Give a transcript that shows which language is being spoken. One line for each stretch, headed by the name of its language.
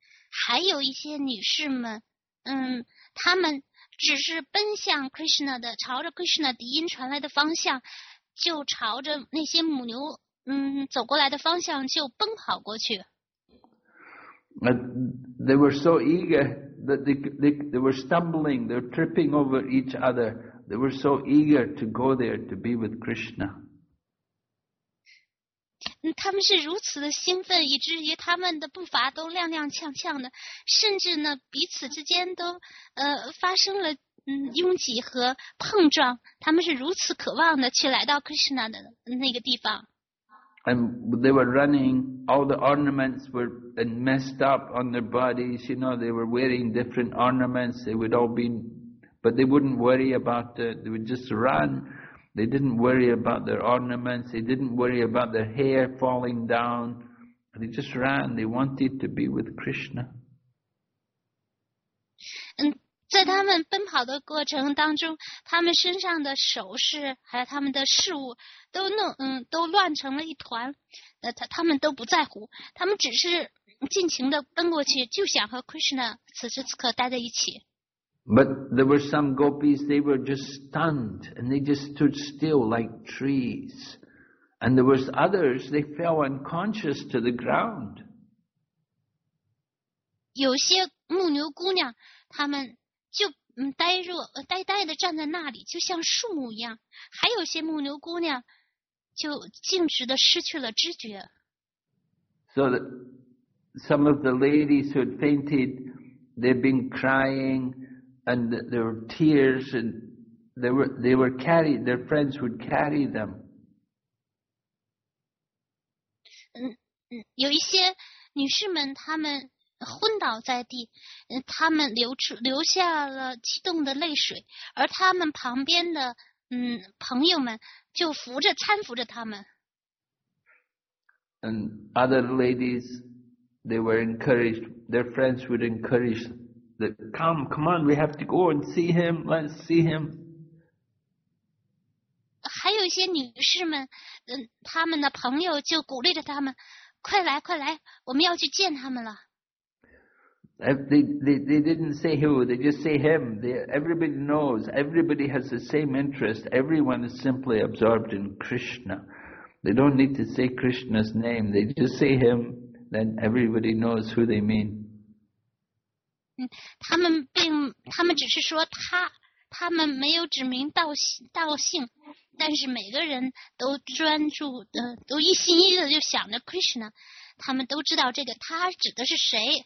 Chinese: 还有一些女士们，她们只是奔向 Krishna 的，朝着 Krishna 笛音传来的方向，就朝着那些母牛，走过来的方向就奔跑过去。
English: They were so eager that they were stumbling, they were tripping over each other. They were so eager to go there to be with Krishna.
Chinese: 他们是如此的兴奋，以至于他们的步伐都踉踉跄跄的，甚至呢彼此之间都发生了拥挤和碰撞。他们是如此渴望的去来到 Krishna 的那个地方。
English: And they were running. All the ornaments were messed up on their bodies. You know, they were wearing different ornaments. They would all be, but they wouldn't worry about it. They would just run. They didn't worry about their ornaments. They didn't worry about their hair falling down. They just ran. They wanted to be with Krishna.
Chinese: 在他们奔跑的过程当中，他们身上的首饰还有他们的事物都乱成了一团，他们都不在乎，他们只是尽情的奔过去，就想和 Krishna 此时此刻待在一起。
English: But there were some gopis, they were just stunned and they just stood still like trees. And there was others, they fell unconscious to the ground.
Chinese: 有些牧牛姑娘，他们就呆若呆呆地站在那里，就像树木一样。还有些牧牛姑娘就径直地失去了知觉。
English: So that some of the ladies who had fainted, they'd been crying, and there were tears, and they were carried. Their friends would carry them.
Chinese: 有一些女士们，她们昏倒在地，她们流下了激动的泪水，而她们旁边的朋友们就搀扶着她们。
English: And other ladies, they were encouraged. Their friends would encourage that, "Come, come on, we have to go and see him. Let's see him."
Chinese: 还有一些女士们，她们的朋友就鼓励着她们，快来，快来，我们要去见他们了。
English: They didn't say who, they just say him. Everybody knows. Everybody has the same interest. Everyone is simply absorbed in Krishna. They don't need to say Krishna's name. They just say him, then everybody knows who they mean.
Chinese: 他们只是说他们没有指名道姓，但是每个人都专注的，都一心一意的就想着 Krishna. 他们都知道这个他指的是谁。